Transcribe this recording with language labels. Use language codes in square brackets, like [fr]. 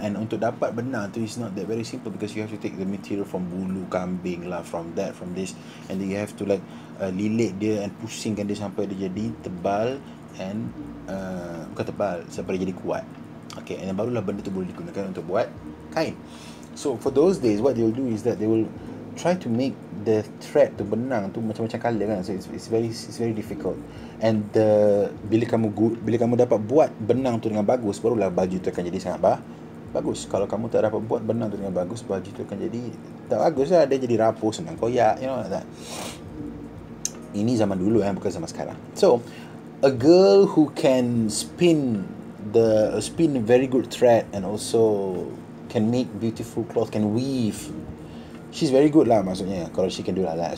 [en] And [ms] untuk dapat benang tu, [en] it's not that very simple because you have to take the material from [ms] bulu kambing lah, [en] from that, from this. And then you have to like [ms] lilit dia and pusingkan dia sampai dia jadi tebal. And bukan tebal, sampai dia jadi kuat. Okay, and then barulah benda tu boleh digunakan untuk buat kain. [en] So for those days, what they will do is that they will try to make the thread tu, [ms] benang tu, macam-macam colour kan. [en] So it's very difficult. [ms] And the bila kamu dapat buat benang tu dengan bagus, barulah baju tu akan jadi sangat bagus. Kalau kamu tak dapat buat benang tu dengan bagus, baju tu akan jadi tak bagus lah. Dia jadi rapuh, senang koyak, [en] you know, like that. [ms] Ini zaman dulu kan, bukan zaman sekarang. [en] So a girl who can spin very good thread and also can make beautiful cloth, can weave, she's very good lah, [ms] maksudnya kalau [en] she can do like that.